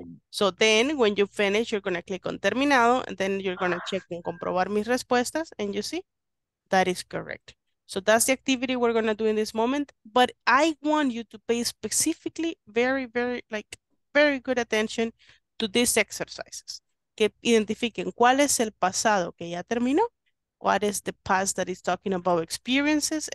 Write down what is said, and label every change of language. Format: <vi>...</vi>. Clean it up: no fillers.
<en>So then, when you finish, you're going to click on terminado. And then you're going to check and</en> <es>comprobar mis respuestas.</es> <en>And you see, that is correct. So that's the activity we're going to do in this moment. But I want you to pay specifically very, very, like, very good attention to these exercises.</en> <es>Que identifiquen cuál es el pasado que ya terminó.</es> <en>What is the past that is talking about experiences?</en>